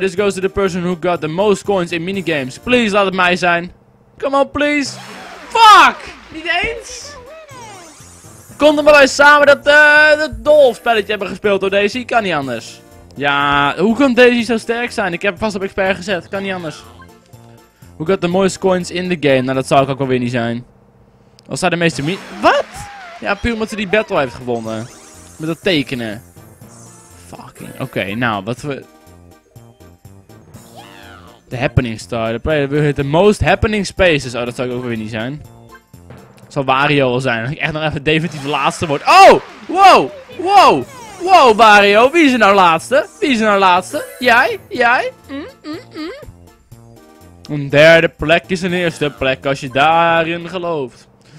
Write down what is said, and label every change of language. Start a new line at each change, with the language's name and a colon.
English: This goes to the person who got the most coins in minigames.
Dutch: Please, laat het mij zijn.
English: Come on, please.
Dutch: Fuck! Niet eens? Komt er maar eens samen dat de Dolph spelletje hebben gespeeld door Daisy. Kan niet anders. Ja, hoe kan Daisy zo sterk zijn? Ik heb hem vast op expert gezet. Kan niet anders.
English: Who got the most coins in the game?
Dutch: Nou, dat zou ik ook alweer niet zijn. Als zij de meeste mini... Wat? Ja, puur omdat ze die battle heeft gewonnen. Met dat tekenen. Fucking. Oké, nou, wat we...
English: The Happening Star. The player will hit the most happening spaces.
Dutch: Oh, dat zou ik ook weer niet zijn. Dat zal Wario wel zijn. Dat ik echt nog even definitief de laatste word. Oh! Wow, Wario. Wie is er nou laatste? Jij? Een derde plek is een eerste plek als je daarin gelooft.